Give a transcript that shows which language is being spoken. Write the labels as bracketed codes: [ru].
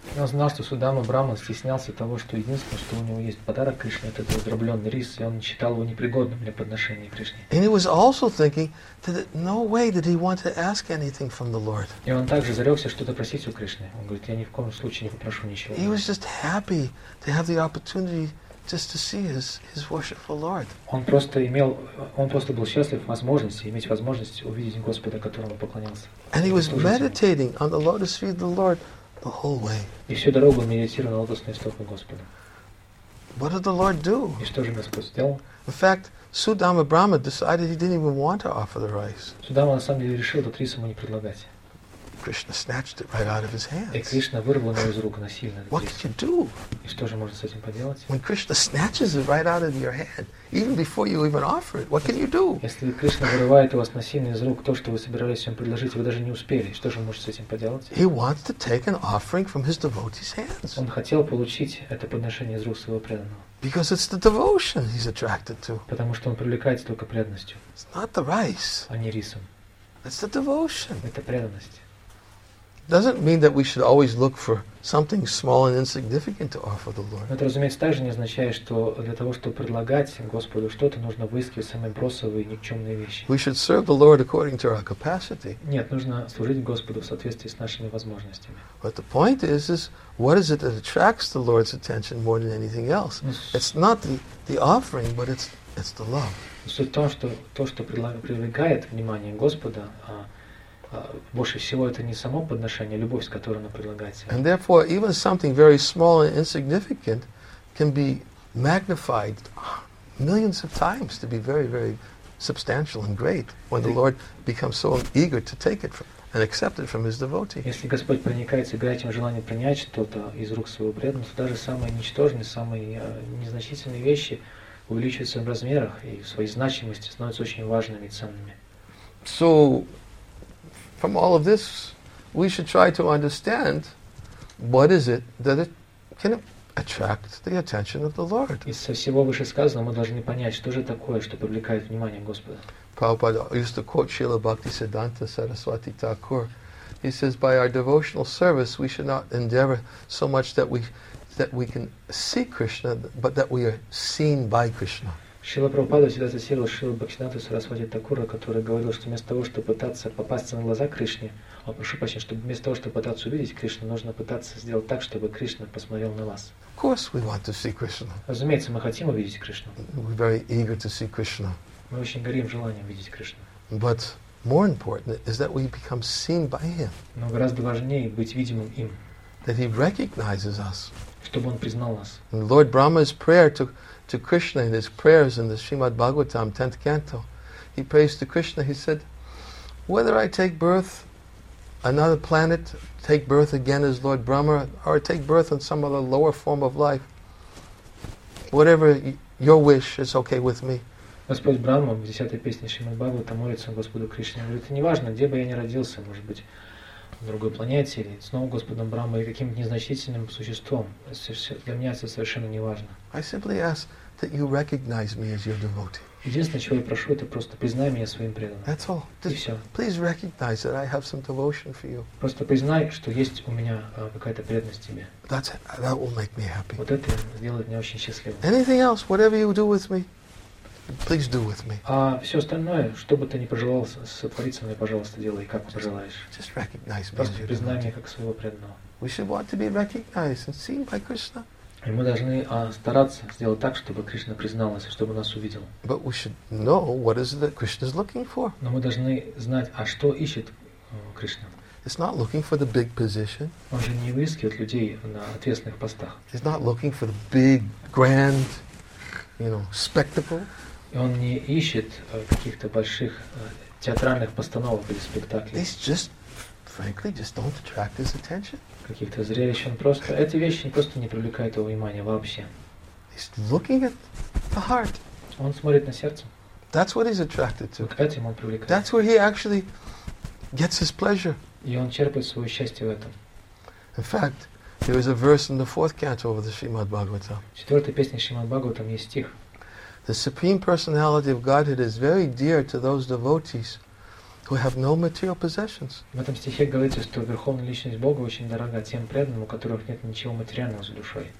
[ru] Он знал, что Судама Брахман стеснялся того, что единственное, что у него есть подарок Кришне, это этот дробленый рис, и он считал его непригодным для подношения Кришне. [en] And he was also thinking that no way did he want to ask anything from the Lord. [ru] И он также зарекся что-то просить у Кришны. Он говорит, я ни в коем случае не попрошу ничего. [en] He was just happy to have the opportunity just to see his worshipful Lord. [ru] Он просто был счастлив иметь возможность увидеть Господа, которому поклонялся. [en] And he was meditating on the lotus feet of the Lord the whole way. [ru] И всю дорогу медитировал на лотосные стопы Господа. [en] What did the Lord do? [ru] И что же Господь сделал? [en] In fact, Sudama Brahma decided he didn't even want to offer the rice. [ru] Судама на самом деле решил этот рис ему не предлагать. [en] Krishna snatched it right out of his hands. [ru] И Кришна вырвал его из рук насильно. [en] What can you do? [ru] И что же можно с этим поделать? [en] When Krishna snatches it right out of your hand, even before you even offer it, what can you do? [ru] Если Кришна вырывает у вас насильно из рук то, что вы собирались ему предложить, вы даже не успели. Что же можно с этим поделать? [en] He wants to take an offering from his devotee's hands. [ru] Он хотел получить это подношение из рук своего преданного. [en] Because it's the devotion he's attracted to. [ru] Потому что он привлекается только преданностью. [en] It's not the rice. [ru] А не рисом. [en] It's the devotion. [ru] Это преданность. [en] Doesn't mean that we should always look for something small and insignificant to offer the Lord. [ru] Это, разумеется, также не означает, что для того, чтобы предлагать Господу что-то, нужно выискивать самые бросовые и никчемные вещи. [en] We should serve the Lord according to our capacity. [ru] Нет, нужно служить Господу в соответствии с нашими возможностями. [en] But the point is what is it that attracts the Lord's attention more than anything else? It's not the offering, but it's the love. [ru] Суть в том, что то, что привлекает внимание Господа, больше всего это не само подношение, а любовь, с которой оно предлагается. [en] And therefore, even something very small and insignificant can be magnified millions of times to be very, very substantial and great when the Lord becomes so eager to take it from, and accept it from His devotee. [ru] Если Господь проникается горячим желанием принять что-то из рук своего преданного, то даже самые ничтожные, самые незначительные вещи увеличиваются в размерах и в своей значимости становятся очень важными и ценными. [en] So, from all of this, we should try to understand what is it that it can attract the attention of the Lord. [ru] Из всего вышесказанного мы должны понять, что же такое, что привлекает внимание Господа. [en] Prabhupada used to quote Srila Bhaktisiddhanta Saraswati Thakur. He says, by our devotional service, we should not endeavor so much that we can see Krishna, but that we are seen by Krishna. [ru] Шрила Прабхупада всегда цитировал Шрилу Бхактисиддханту Сарасвати Такура, который говорил, что вместо того, чтобы пытаться попасться на глаза Кришне, он прошу прощения, чтобы вместо того, чтобы пытаться увидеть Кришну, нужно пытаться сделать так, чтобы Кришна посмотрел на вас. [en] Of course we want to see Krishna. [ru] Разумеется, мы хотим увидеть Кришну. [en] We're very eager to see Krishna. [ru] Мы очень горим желанием видеть Кришну. [en] But more important is that we become seen by Him. [ru] Но гораздо важнее быть видимым им. [en] That He recognizes us. [ru] Чтобы он признал нас. [en] And Lord Brahma's prayer to Krishna in his prayers in the Srimad Bhagavatam, 10th canto. He prays to Krishna, he said, whether I take birth another planet, take birth again as Lord Brahma, or take birth in some other lower form of life, whatever your wish is okay with me. [ru] Господь Брахма в 10-й песне Шримад Бхагаватам молится Господу Кришне. Он говорит, неважно, где бы я ни родился, может быть, в другой планете, или снова Господом Брахмой, или каким-то незначительным существом. Для меня это совершенно неважно. [en] I simply ask that you recognize me as your devotee. [ru] Единственное, чего я прошу, это просто признай меня своим преданным. [en] That's all. Just [ru] и все. [en] Please recognize that I have some devotion for you. [ru] Просто признай, что есть у меня какая-то преданность тебе. [en] That's it. That will make me happy. [ru] Вот это сделает меня очень счастливым. [en] Anything else, whatever you do with me, please do with me. [ru] А все остальное, что бы ты ни пожелал сотворить со мной, пожалуйста, делай, как пожелаешь. [en] Just recognize me as your devotee. [ru] Просто признай меня как своего преданного. [en] We should want to be recognized and seen by Krishna. [ru] И мы должны стараться сделать так, чтобы Кришна признал нас, чтобы нас увидел. [en] But we should know what is it that Krishna is looking for. [ru] Но мы должны знать, а что ищет Кришна. [en] It's not looking for the big position. [ru] Он же не выискивает людей на ответственных постах. [en] He's not looking for the big, grand, you know, spectacle. [ru] И он не ищет каких-то больших театральных постановок или спектаклей. [en] These just, frankly, just don't attract his attention. [ru] Каких-то зрелищ он просто. Эти вещи просто не привлекают его внимания вообще. [en] He's looking at the heart. [ru] Он смотрит на сердце. [en] That's what he's attracted to. [ru] К этим он привлекает. [en] That's where he actually gets his pleasure. [ru] И он черпает свое счастье в этом. [en] In fact, there is a verse in the fourth canto of the Srimad Bhagavatam. [ru] В четвертой песне Шримад Бхагаватам есть стих. [en] The Supreme Personality of Godhead is very dear to those devotees who have no material possessions. [ru] В этом стихе говорится, что Верховная Личность Бога очень дорога тем преданным, у которых нет ничего материального за душой.